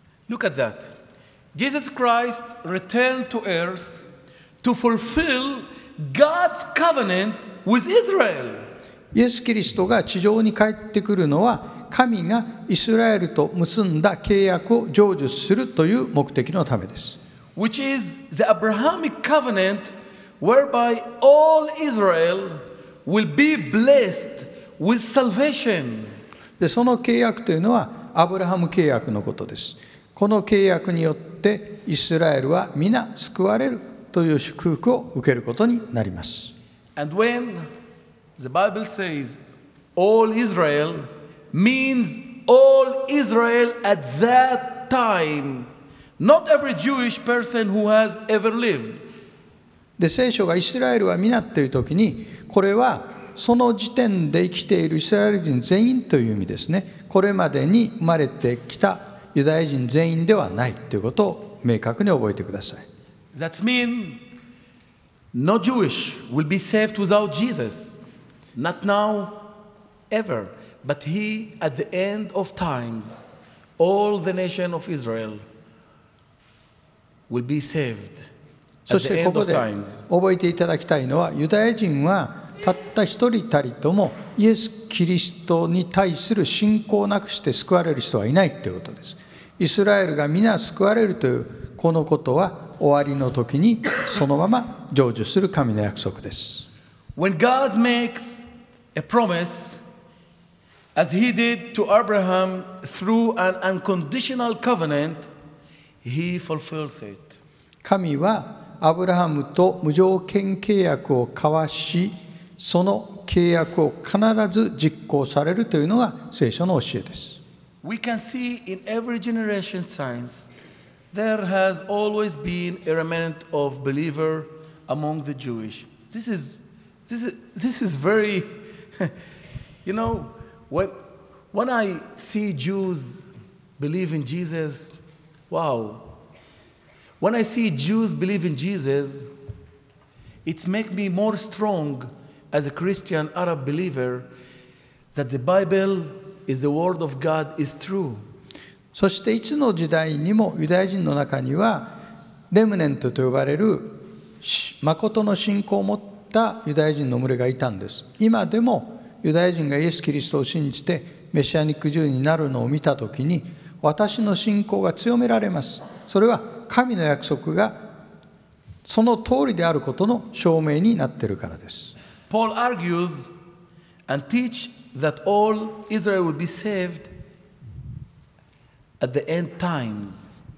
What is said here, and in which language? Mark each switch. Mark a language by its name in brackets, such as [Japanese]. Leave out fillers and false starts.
[English] Look at that. Jesus Christ returned to earth to fulfill God's covenant with Israel. [Japanese] イエス・キリストが地上に帰ってくるのは神がイスラエルと結んだ契約を成就するという目的のためです。 [English] Which is the Abrahamic covenant whereby all Israel will be blessed with salvation. [Japanese] で、その契約というのはアブラハム契約のことです。この契約によってイスラエルは皆救われるという祝福を受けることになります。 [English] And when the Bible says all Israel means all Israel at that time, not every Jewish person who has ever lived. [Japanese] で、聖書がイスラエルは皆というときに、これはその時点で生きているイスラエル人全員という意味ですね。これまでに生まれてきたユダヤ人全員ではないということを明確に覚えてください。 [English] That means no Jewish will be saved without Jesus. Not now, ever. But he, at the end of times, all the nation of Israel will be saved. [Japanese] そしてここで覚えていただきたいのは、ユダヤ人はたった一人たりともイエス・キリストに対する信仰なくして救われる人はいないということです。イスラエルが皆救われるというこのことは終わりの時にそのまま成就する神の約束です。 [English] When God makes a promise as he did to Abraham through an unconditional covenant, he fulfills it. [Japanese] 神はアブラハムと無条件契約を交わし、その契約を必ず実行されるというのが聖書の教えです。 [English] We can see in every generation signs there has always been a remnant of believer among the Jewish. This is This is very, you know, when I see Jews believe in Jesus, wow. When I see Jews believe in Jesus, it makes me more strong as a Christian Arab believer that the Bible is the word of God is true. [Japanese] そしていつの時代にもユダヤ人の中にはレムネントと呼ばれる誠の信仰を持ったユダヤ人の群れがいたんです。今でもユダヤ人がイエス・キリストを信じてメシアニック Jew になるのを見たときに私の信仰が強められます。それは神の約束がその通りであることの証明になっているからです。 [English] Paul argues and teach that all Israel will be saved at the end times.